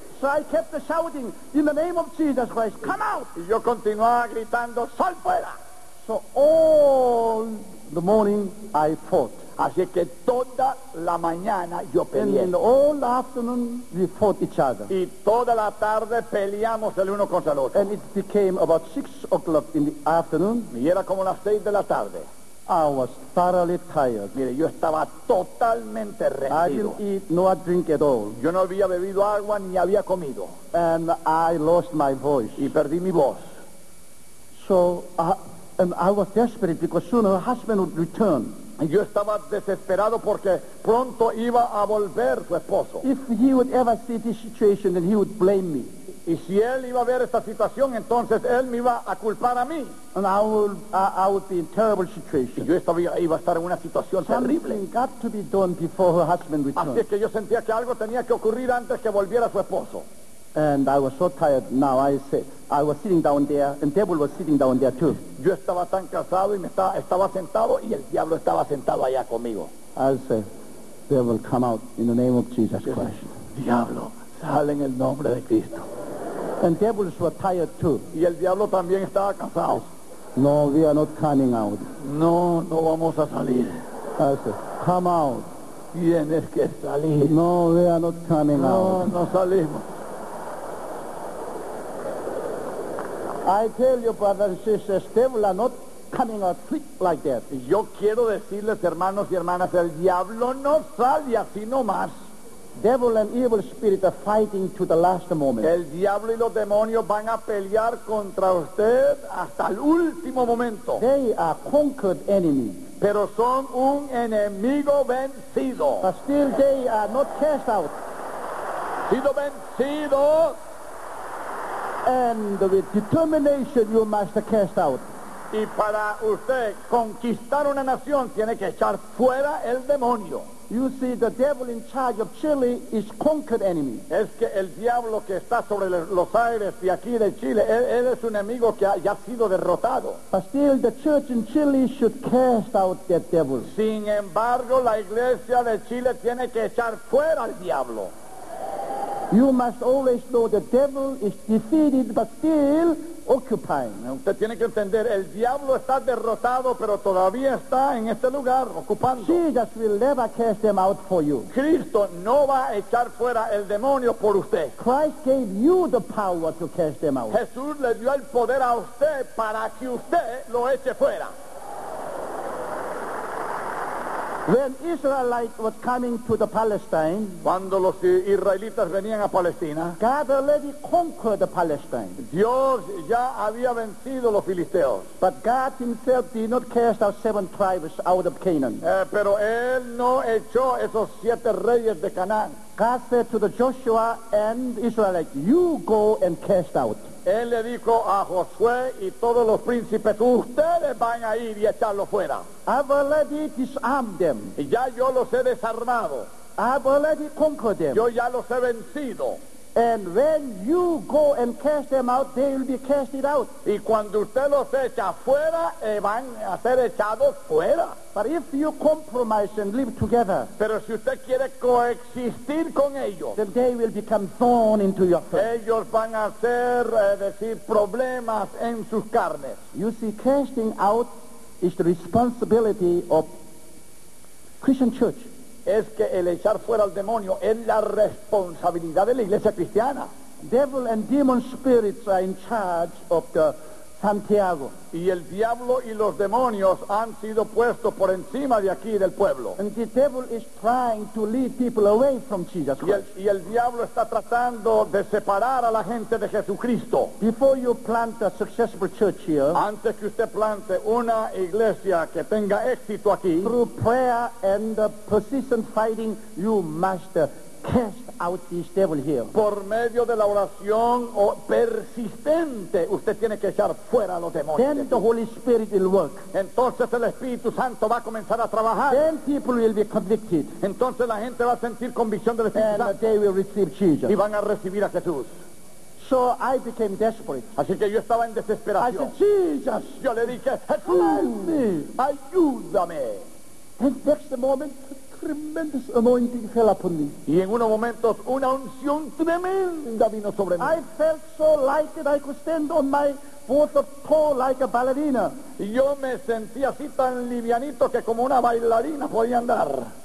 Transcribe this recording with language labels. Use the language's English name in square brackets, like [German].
[English] So I kept shouting, in the name of Jesus Christ, come out! [Spanish] Y yo continuaba gritando, ¡sal fuera! [English] So all the morning I fought. [Spanish] Así que toda la mañana yo peleé. [English] And all afternoon we fought each other. [Spanish] Y toda la tarde peleamos el uno contra el otro. [English] And it became about 6 o'clock in the afternoon. [Spanish] Y era como las 6 de la tarde. [English] I was thoroughly tired. [Spanish] Mire, yo estaba totalmente rendido. [English] I didn't eat nor drink at all. [Spanish] Yo no había bebido agua ni había comido. [English] And I lost my voice. [Spanish] Y perdí mi voz. [English] So I was desperate because soon her husband would return. [Spanish] Yo estaba desesperado porque pronto iba a volver su esposo. [English] If he would ever see this situation, then he would blame me. [Spanish] Y si él iba a ver esta situación, entonces él me iba a culpar a mí. [English] And I would be in terrible situation. [Spanish] Y yo iba a estar en una situación [English] Something [Spanish] terrible. [English] Got to be done before her husband returned. [Spanish] Así es que yo sentía que algo tenía que ocurrir antes que volviera su esposo. [English] And I was so tired now, I was sitting down there, and the devil was sitting down there too. [Spanish] Yo estaba tan cansado y estaba sentado, y el diablo estaba sentado allá conmigo. [English] I said, devil, come out in the name of Jesus Christ. [Spanish] Diablo, sal en el nombre de Cristo. [English] And the devils were tired too. [Spanish] Y el diablo también estaba cansado. [English] No, we are not coming out. [Spanish] No, no vamos a salir. [English] I said, come out. [Spanish] Tienes que salir. [English] No, we are not coming no, out. [Spanish] No, no salimos. [English] I tell you, brothers and sisters, devil are not coming out quick like that. [Spanish] Yo quiero decirles, hermanos y hermanas, el diablo no sale así nomás. [English] Devil and evil spirit are fighting to the last moment. [Spanish] El diablo y los demonios van a pelear contra usted hasta el último momento. [English] They are conquered enemies. [Spanish] Pero son un enemigo vencido. [English] But still they are not cast out. [Spanish] Sido vencidos. [English] And with determination, you must cast out. [Spanish] Y para usted conquistar una nación, tiene que echar fuera el demonio. [English] You see, the devil in charge of Chile is conquered enemy. [Spanish] Es que el diablo que está sobre los aires y aquí de Chile, él es un enemigo que ya ha sido derrotado. [English] But still, the church in Chile should cast out that devil. [Spanish] Sin embargo, la iglesia de Chile tiene que echar fuera al diablo. [English] You must always know the devil is defeated, but still occupying. [Spanish] Usted tiene que entender, el diablo está derrotado, pero todavía está en este lugar, ocupando. [English] Jesus will never cast them out for you. [Spanish] Cristo no va a echar fuera el demonio por usted. [English] Christ gave you the power to cast them out. [Spanish] Jesús le dio el poder a usted para que usted lo eche fuera. [English] When Israelite was coming to the Palestine, [Spanish] cuando los israelitas venían a Palestina, [English] God already conquered the Palestine. [Spanish] Dios ya había vencido los filisteos. [English] But God himself did not cast out 7 tribes out of Canaan. [Spanish] Pero él no echó esos 7 reyes de Canaán. [English] God said to the Joshua and Israelite, you go and cast out. [Spanish] Él le dijo a Josué y todos los príncipes, ustedes van a ir y echarlo fuera. [English] I've already disarmed them. [Spanish] Y ya yo los he desarmado. [English] I've already conquered them. [Spanish] Yo ya los he vencido. [English] And when you go and cast them out, they will be casted out. [Spanish] Y cuando usted los echa fuera, van a ser echados fuera. [English] But if you compromise and live together, [Spanish] pero si usted quiere coexistir con ellos, [English] then they will become thorn into your flesh. [Spanish] Ellos van a ser, problemas en sus carnes. [English] You see, casting out is the responsibility of Christian church. [Spanish] Es que el echar fuera al demonio es la responsabilidad de la iglesia cristiana. [English] Devil and demon spirits are in charge of the Santiago. [Spanish] Y el diablo y los demonios han sido puestos por encima de aquí del pueblo. [English] And the devil is trying to lead people away from Jesus Christ. [Spanish] Y el diablo está tratando de separar a la gente de Jesucristo. [English] Before you plant a successful church here, [Spanish] antes que usted plante una iglesia que tenga éxito aquí, [English] through prayer and persistent fighting, you must cast out this devil here. [Spanish] Por medio de la oración persistente, usted tiene que echar fuera a los demonios. [English] Then the Holy Spirit will work. [Spanish] Entonces el Espíritu Santo va a comenzar a trabajar. [English] Then people will be convicted. [Spanish] Entonces la gente va a sentir convicción del Espíritu Santo. [English] And they will receive Jesus. [Spanish] Y van a recibir a Jesús. [English] So I became desperate. [Spanish] Así que yo estaba en desesperación. [English] I said, Jesus, [Spanish] yo le dije, [English] help me, [Spanish] ayúdame. [English] And next moment, tremendous anointing fell upon me. [Spanish] Y en unos momentos una unción tremenda vino sobre mí. [English] I felt so light that I could stand on my both of toe like a ballerina. [Spanish] Y yo me sentí así tan livianito que como una bailarina podía andar.